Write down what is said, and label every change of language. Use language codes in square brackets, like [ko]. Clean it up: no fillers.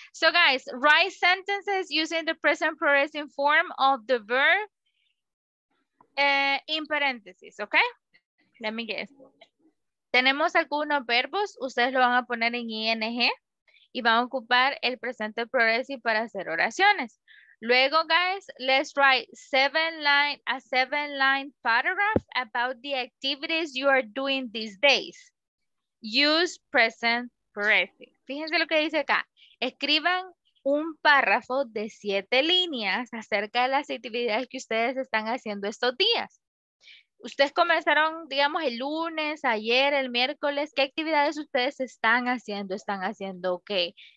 [en] So guys, write sentences using the present progressive form of the verb in parentheses, okay? Let me guess. [es] Tenemos algunos verbos, ustedes lo van a poner en ing y van a ocupar el presente progressive para hacer oraciones. [en] Luego, guys, let's write a seven line paragraph about the activities you are doing these days. Use present progressive. [es] Fíjense lo que dice acá. Escriban un párrafo de 7 líneas acerca de las actividades que ustedes están haciendo estos días. Ustedes comenzaron, digamos, el lunes, ayer, el miércoles. ¿Qué actividades ustedes están haciendo? ¿Están haciendo qué?